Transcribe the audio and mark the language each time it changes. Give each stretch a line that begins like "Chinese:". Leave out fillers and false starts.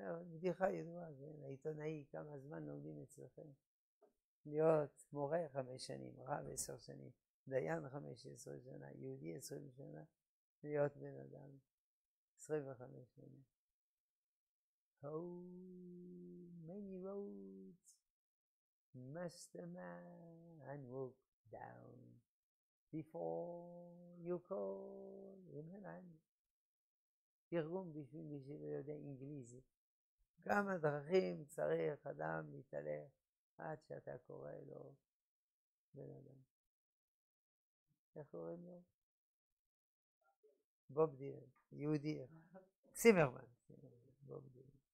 Hebrew: בדיחה ידועה, זה עיתונאי, כמה זמן לומדים אצלכם, להיות מורה 5 שנים, רב 10 שנים, דיין 15 שנה, יהודי 20 שנה, להיות בן אדם 25 שנה.
English: How many roads must a man walk down before you call him a man?
Hebrew: תרגום בשביל מי שלא יודע אנגליזית. כמה דרכים צריך אדם להתהלך עד שאתה קורא לו בן אדם? איך קוראים לו? בוב דילן, יהודי. סימרמן. בוב דילן.